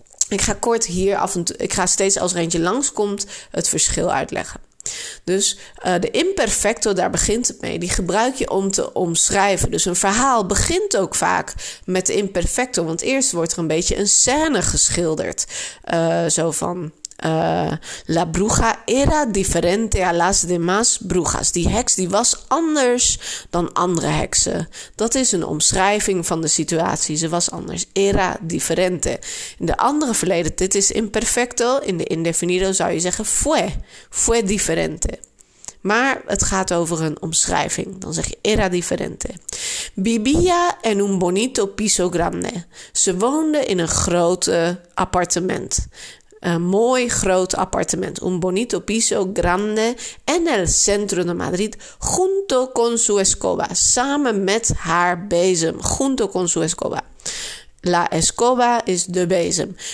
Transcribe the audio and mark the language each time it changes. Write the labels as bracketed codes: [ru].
[nl] Ik ga kort hier af en toe, ik ga steeds als er eentje langskomt het verschil uitleggen. Dus de imperfecto, daar begint het mee. Die gebruik je om te omschrijven. Dus een verhaal begint ook vaak met de imperfecto. Want eerst wordt er een beetje een scène geschilderd. Zo van [es] la bruja era diferente a las demás brujas. [nl] Die heks die was anders dan andere heksen. Dat is een omschrijving van de situatie. Ze was anders. [es] Era diferente. [nl] In de andere verleden, dit is imperfecto. In de indefinido zou je zeggen [es] fue diferente. [nl] Maar het gaat over een omschrijving. Dan zeg je [es] era diferente. Vivía en un bonito piso grande. [nl] Ze woonde in een grote appartement. Een mooi groot appartement. [es] Un bonito piso grande en el centro de Madrid. Junto con su escoba. [nl] Samen met haar bezem. [es] Junto con su escoba. La escoba [nl] is de bezem.